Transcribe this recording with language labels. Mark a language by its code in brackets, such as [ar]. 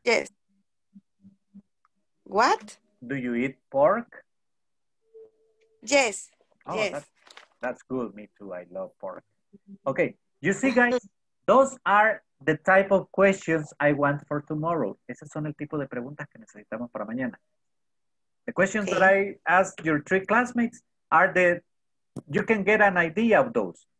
[en] Yes. What? Do you eat pork? Yes. Oh, yes. That's good. Me too. I love pork. Okay. You see, guys, those are the type of questions I want for tomorrow. [es] Esos son el tipo de preguntas que necesitamos para mañana. [en] The questions that I asked your three classmates are the, you can get an idea of those.